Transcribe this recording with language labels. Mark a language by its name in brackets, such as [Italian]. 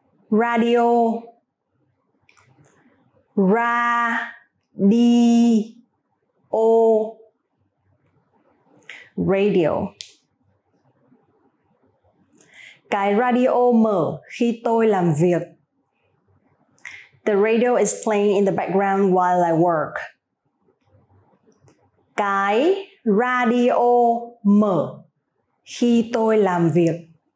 [English] Radio. Radio. Radio. [Vietnamese] Cái radio mở khi tôi làm việc. [English] The radio is playing in the background while I work. [Vietnamese] Cái radio mở khi tôi làm việc.